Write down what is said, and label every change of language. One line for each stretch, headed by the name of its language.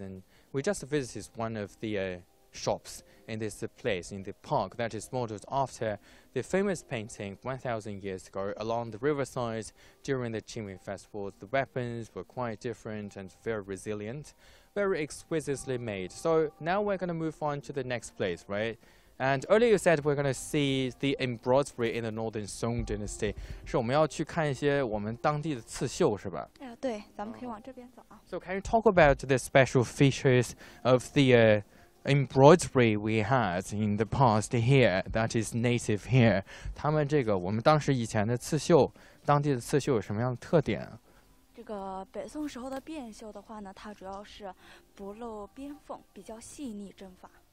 English: And we just visited one of the shops in this place, in the park, that is modeled after the famous painting 1,000 years ago along the riverside during the Qingming Festival. The weapons were quite different and very resilient. Very exquisitely made. So now we're going to move on to the next place, right? And earlier you said we're going to see the embroidery in the Northern Song Dynasty.
Chinese: 是我们要去看一些我们当地的刺绣,是吧? 对,咱们可以往这边走啊。
English: So can you talk about the special features of the embroidery we had in the past here, that is native here?
Chinese: 他们这个,我们当时以前的刺绣,当地的刺绣有什么样的特点? 这个北宋时候的辫绣的话呢, 它主要是不露边缝, 比较细腻针法。